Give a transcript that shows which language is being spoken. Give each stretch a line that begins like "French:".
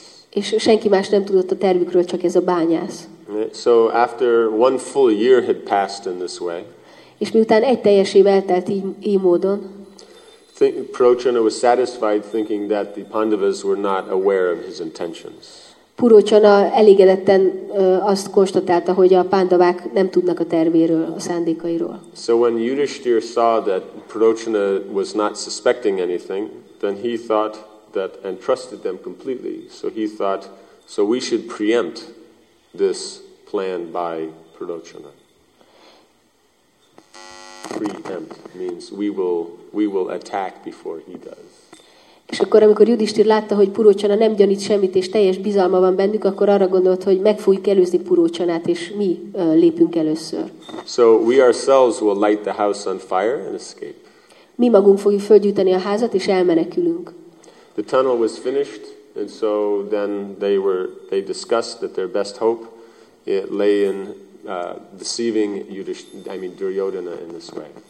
Hungarian: És senki más nem tudott a tervükről, csak ez a bányász.
English: So after one full year had passed in this way.
Hungarian: És miután egy teljes év eltelt így módon,
English: Purochana was satisfied thinking that the Pandavas were not aware of his intentions.
Hungarian: Purochana elégedetten azt konstatálta, hogy a pandavák nem tudnak a tervéről, a szándékairól.
English: So when Yudhishthira saw that Purochana was not suspecting anything, then he thought that and trusted them completely. So he thought, so we should preempt this plan by Purochana. Preempt means we will attack before he does.
Hungarian: És akkor, amikor Yudhishthir látta, hogy Purochana nem gyanít semmit, és teljes bizalma van bennük, akkor arra gondolt, hogy meg fogjuk előzni Purochanát, és mi lépünk először.
English: So we ourselves will light the house on fire and escape.
Hungarian: Mi magunk fogjuk fölgyűjteni a házat, és elmenekülünk.
English: The tunnel was finished, and so then they discussed that their best hope it lay in deceiving Duryodhana in this way.